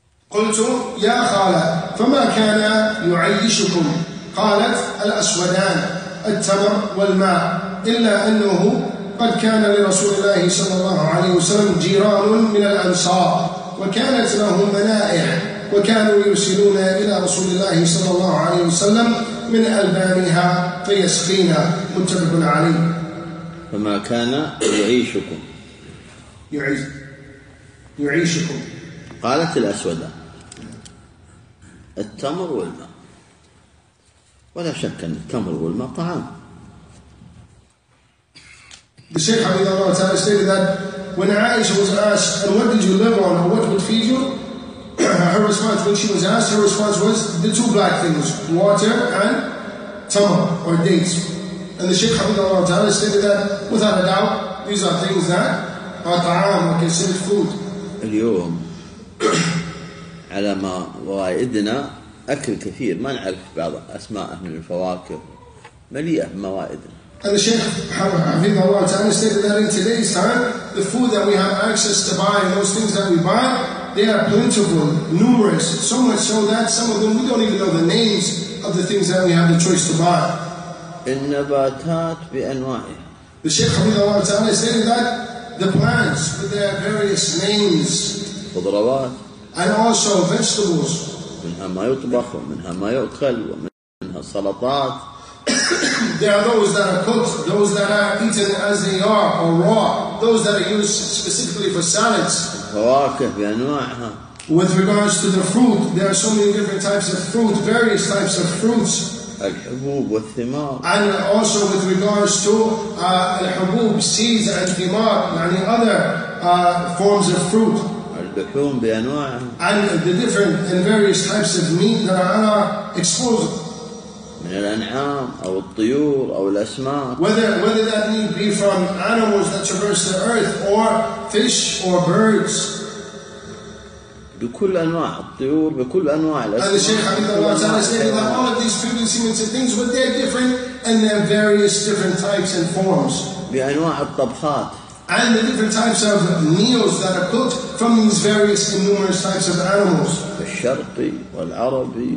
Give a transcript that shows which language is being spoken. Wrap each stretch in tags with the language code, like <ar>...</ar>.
<ar>قلت يا خالة فما كان يعيشكم قالت الأسودان التمر والماء إلا أنه قد كان لرسول الله صلى الله عليه وسلم جيران من الأنصار وكانت لهم منائع وكانوا يرسلون إلى رسول الله صلى الله عليه وسلم من ألبانها فيسقينا متفق عليه. فما كان يعيشكم يعيشكم قالت الأسودة التمر والماء ولا شك أن التمر والماء طعام.</ar> <en>The Shaykh Hafidhullah Ta'ala stated that when Aisha was asked and what did you live on or what would feed you, her response when she was asked, her response was the two black things, water and tamar or dates. And the Shaykh Hafidhullah Ta'ala stated that without a doubt, these are things that are ta'am, are considered food.</en> <ar>اليوم على ما وعدنا أكل كثير ما نعرف بعض أسماء من الفواكه مليئة بموائدنا.</ar> <en>And the Shaykh Hafidhullah Ta'ala stated that in today's time, the food that we have access to buy, those things that we buy, they are plentiful, numerous, so much so that some of them, we don't even know the names of the things that we have the choice to buy.</en> <ar>النباتات بأنواعها.</ar> <en>The Shaykh Hafidhullah Ta'ala stated that the plants with their various names.</en> <ar>خضروات.</ar> <en>And also vegetables.</en> <ar>منها ما يطبخ ومنها ما يؤكل ومنها سلطات.</ar> <en>There are those that are cooked, those that are eaten as they are or raw, those that are used specifically for salads.</en> <ar>فواكه بأنواعها.</ar> <en>With regards to the fruit, there are so many different types of fruit, various types of fruits.</en> <ar>الحبوب والثمار.</ar> <en>And also with regards to الحبوب, seeds and ثمار, يعني other forms of fruit.</en> <ar>اللحوم بأنواعها.</ar> <en>And the different and various types of meat that are exposed.</en> <ar>من الأنعام أو الطيور أو الأسماك.</ar> <en>Whether that meat be from animals that traverse the earth or fish or birds.</en> <ar>بكل أنواع الطيور بكل أنواع الأسماك.</ar> <en>And the Shaykh Hafidhullah Ta'ala stated that all of these food instruments and things, but they're different and they're various different types and forms.</en> <ar>بأنواع الطبخات.</ar> <en>And the different types of meals that are cooked from these various and numerous types of animals.</en> <ar>الشرقي والعربي.</ar>